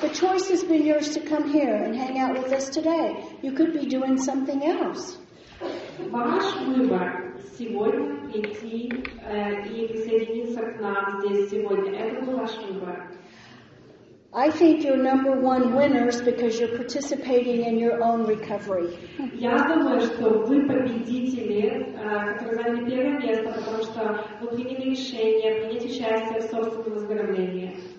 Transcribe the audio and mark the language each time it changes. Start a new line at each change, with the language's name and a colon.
English: The choice has been yours to come here and hang out with us today. You could be doing something else.
Russian: Ваш выбор сегодня прийти и присоединиться к нам здесь сегодня. Это был ваш выбор.
English: I think you're number one winners because you're participating in your own recovery.
Russian: Я думаю, что вы победители, которые заняли первое место, потому что вы приняли решение принять участие в собственном выздоровлении.